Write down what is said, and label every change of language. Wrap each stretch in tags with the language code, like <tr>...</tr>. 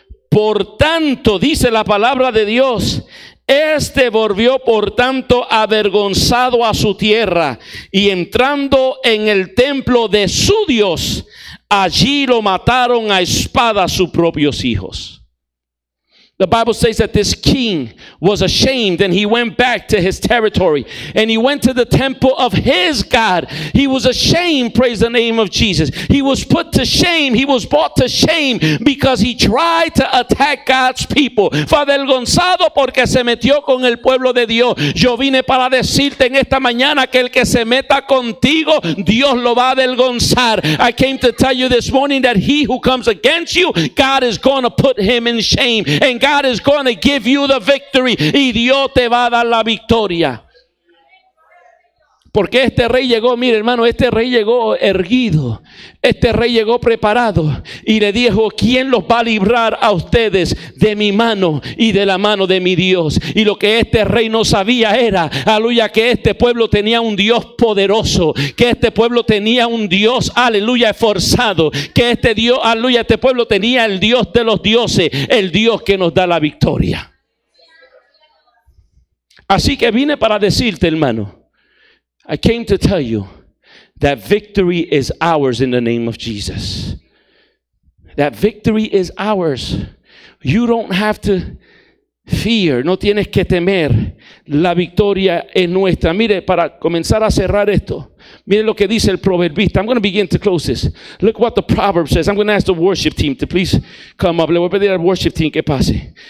<es>Por tanto, dice la palabra de Dios, este volvió, por tanto, avergonzado a su tierra, y entrando en el templo de su Dios, allí lo mataron a espada sus propios hijos.</es> <en>The Bible says that this king was ashamed and he went back to his territory and he went to the temple of his God. He was ashamed, praise the name of Jesus. He was put to shame. He was brought to shame because he tried to attack God's people.</en> <es>Fue avergonzado porque se metió con el pueblo de Dios. Yo vine para decirte en esta mañana que el que se meta contigo, Dios lo va a avergonzar.</es> <en>I came to tell you this morning that he who comes against you, God is going to put him in shame. And God is going to give you the victory.</en> <es>Y Dios te va a dar la victoria. Porque este rey llegó, mire hermano, este rey llegó erguido. Este rey llegó preparado. Y le dijo, ¿quién los va a librar a ustedes de mi mano y de la mano de mi Dios? Y lo que este rey no sabía era, aleluya, que este pueblo tenía un Dios poderoso. Que este pueblo tenía un Dios, aleluya, esforzado. Que este Dios, aleluya, este pueblo tenía el Dios de los dioses. El Dios que nos da la victoria. Así que vine para decirte, hermano,</es> <en>I came to tell you that victory is ours in the name of Jesus. That victory is ours. You don't have to fear.</en> <es>No tienes que temer. La victoria es nuestra. Mire, para comenzar a cerrar esto, mire lo que dice el proverbista.</es> <en>I'm going to begin to close this. Look what the proverb says. I'm going to ask the worship team to please come up.</en> <es>Le voy a pedir al worship team que pase.</es>